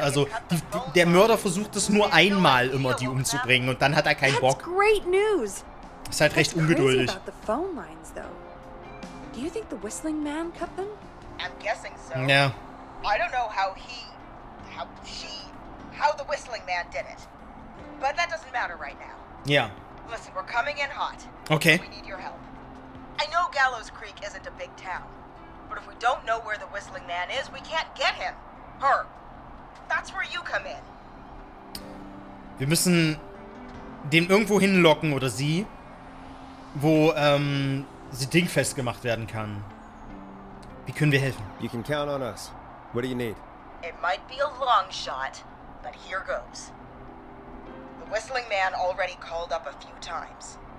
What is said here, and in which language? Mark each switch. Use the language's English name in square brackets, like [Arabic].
[German] Also, der Mörder versucht es nur einmal immer, die umzubringen. Und dann hat er keinen Bock. [English] Great news! [German] Ist halt recht ungeduldig. [English] Do you think the whistling man cut them? I'm guessing so. Yeah. I don't know how he, how she, how the whistling man did it. But that doesn't matter right now. Yeah. Listen, we're coming in hot. Okay. We need your help. I know Gallows Creek isn't a big town. But if we don't know where the whistling man is, we can't get him. Her. That's where you come in. [German] Wir müssen den irgendwo hinlocken, oder sie, wo, sie dingfest gemacht werden kann. Wie können wir helfen? [English] You can count on us. What do you need? It might be a long shot, but here goes. The whistling man already called up a few times.